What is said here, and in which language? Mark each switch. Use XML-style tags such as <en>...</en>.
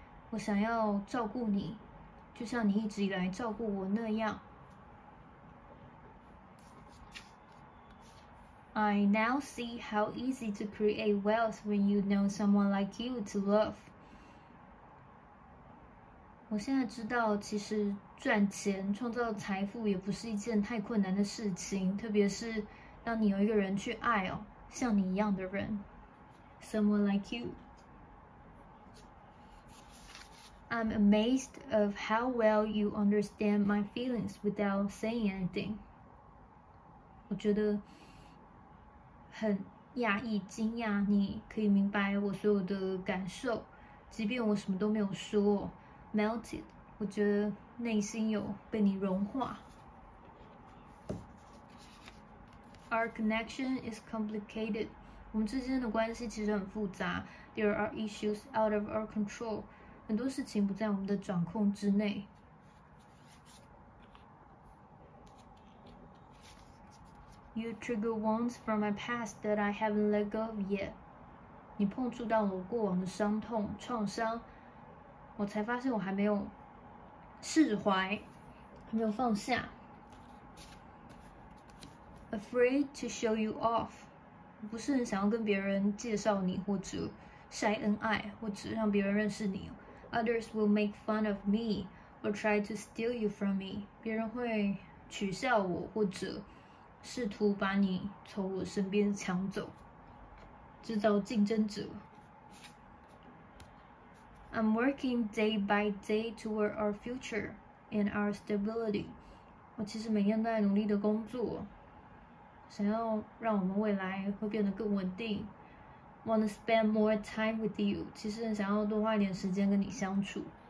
<zh>我想要照顾你，就像你一直以来照顾我那样。</zh> <en>I now see how easy to create wealth when you know someone like you to love。</en> <zh>我现在知道，其实赚钱、创造财富也不是一件太困难的事情，特别是当你有一个人去爱哦，像你一样的人，</zh> <en>someone like you。 I'm amazed of how well you understand my feelings without saying anything。</en> <zh>我觉得很讶异、惊讶，你可以明白我所有的感受，即便我什么都没有说。</zh> <en>Melted，</en> <zh>我觉得内心有被你融化。</zh> <en>Our connection is complicated，</en> <zh>我们之间的关系其实很复杂。</zh> <en>There are issues out of our control，</en> <zh>很多事情不在我们的掌控之内。</zh> <en>You trigger wounds from my past that I haven't let go of yet。</en> <zh>你碰触到了我过往的伤痛、创伤，我才发现我还没有释怀，还没有放下。</zh> <en>Afraid to show you off，</en> <zh>我不是很想要跟别人介绍你，或者晒恩爱，或者让别人认识你。</zh> <en>Others will make fun of me or try to steal you from me，</en> <zh>别人会取笑我，或者试图把你从我身边抢走，制造竞争者。</zh> <en>I'm working day by day toward our future and our stability。</en> <zh>我其实每天都在努力的工作，想要让我们未来会变得更稳定。</zh> <en>Wanna spend more time with you？</en> <zh>其实很想要多花一点时间跟你相处。</zh>